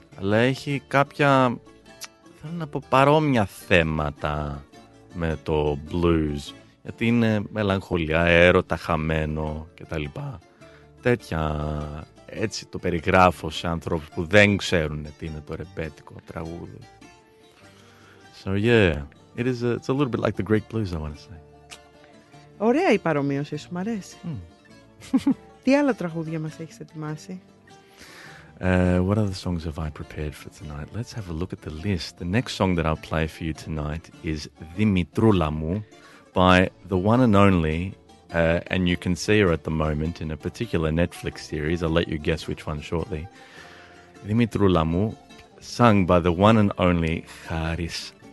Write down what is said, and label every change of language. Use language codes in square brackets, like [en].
[el] Αλλά έχει κάποια, θέλω να πω, παρόμοια θέματα με το blues. Γιατί είναι μελαγχολία, έρωτα, χαμένο κτλ. Τέτοια, έτσι το περιγράφω σε ανθρώπους που δεν ξέρουν τι είναι το ρεμπέτικο τραγούδι. [en] So yeah. It's a little bit like the Greek blues, I want to say. [el] Ωραία η παρομοίωση, σου μ' αρέσει. Τι άλλα τραγούδια μας έχεις ετοιμάσει? [en] What other songs have I prepared for tonight? Let's have a look at the list. The next song that I'll play for you tonight is Dimitroula Mou by the one and only, and you can see her at the moment in a particular Netflix series. I'll let you guess which one shortly. Dimitroula Mou, sung by the one and only Haris